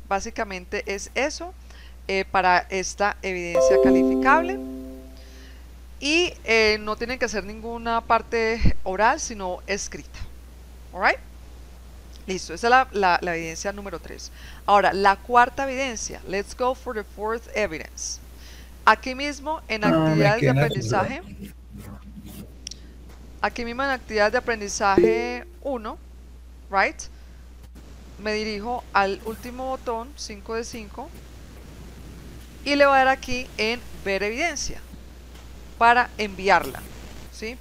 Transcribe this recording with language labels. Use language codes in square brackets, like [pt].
[es] Básicamente es eso para esta evidencia calificable. Y no tienen que hacer ninguna parte oral, sino escrita. ¿Alright? Listo, esa es la evidencia número 3. Ahora, la cuarta evidencia. [en] Let's go for the fourth evidence. [es] Aquí mismo en Ah, me actividades de queda cerrado. aprendizaje. Aquí mismo en actividades de aprendizaje 1, right? Me dirijo al último botón, 5 de 5, y le voy a dar aquí en ver evidencia para enviarla, ¿sí?